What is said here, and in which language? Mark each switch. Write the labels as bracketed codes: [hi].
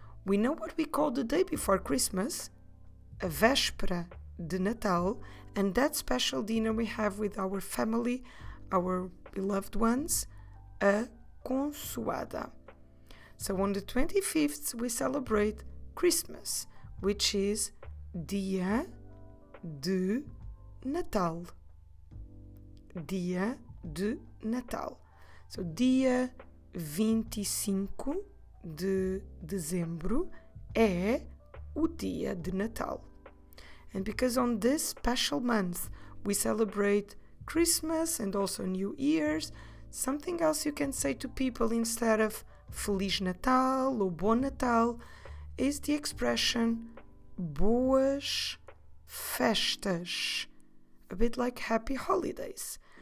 [en] We know what we call the day before Christmas, [pt] a véspera de Natal, [en] and that special dinner we have with our family, our beloved ones, [pt] a consoada. [en] So on the 25th, we celebrate Christmas, which is Dia de Natal. [pt] Dia de Natal. So dia 25 de dezembro é o dia de Natal. [en] And because on this special month we celebrate Christmas and also New Year's, something else you can say to people instead of Feliz Natal or Bon Natal is the expression Boas Festas, a bit like Happy Holidays.